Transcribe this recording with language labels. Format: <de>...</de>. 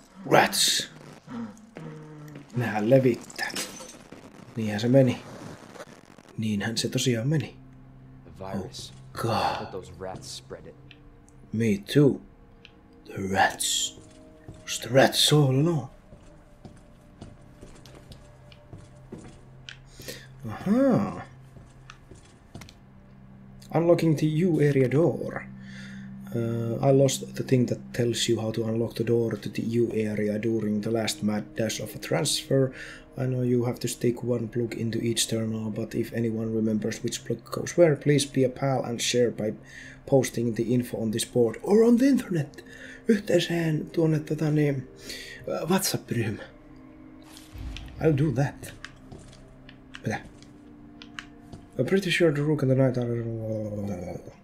<fi>Rats! Nehän levittää. Niinhän se meni. Niinhän se tosiaan meni.</fi> <en>The virus. Oh god. Let those rats spread it. Me too. The rats. It's the rats all along. Aha. Unlocking the U area door. I lost the thing that tells you how to unlock the door to the U area during the last mad dash of a transfer. I know you have to stick one plug into each terminal, but if anyone remembers which plug goes where, please be a pal and share by posting the info on this board or on the internet.</en> <fi>Yhteiseen tuonne tota niin WhatsApp-ryhmä.</fi> <en>I'll do that.</en> <fi>Mitä?</fi> <en>I'm pretty sure the Rook and the Knight are...</en>